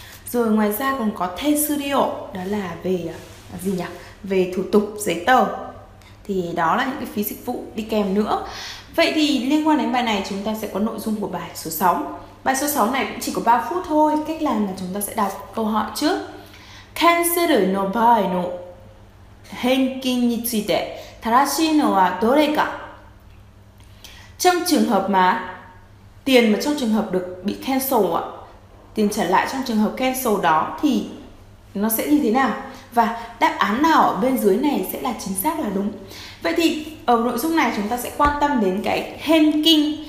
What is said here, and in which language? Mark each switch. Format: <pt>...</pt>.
<vi>Rồi ngoài ra còn có tesu ryo, đó là về gì nhỉ? Về thủ tục giấy tờ. Thì đó là những cái phí dịch vụ đi kèm nữa. Vậy thì liên quan đến bài này chúng ta sẽ có nội dung của bài số 6. Bài số 6 này cũng chỉ có 3 phút thôi, cách làm là chúng ta sẽ đọc câu hỏi trước.</vi> <ja>Cancel の場合の返金について正しいのはどれか?</ja> <vi>Trong trường hợp mà tiền mà trong trường hợp được bị cancel ạ, tiền trả lại trong trường hợp cancel đó thì nó sẽ như thế nào? Và đáp án nào ở bên dưới này sẽ là chính xác là đúng? Vậy thì ở nội dung này chúng ta sẽ quan tâm đến cái hankin.</vi>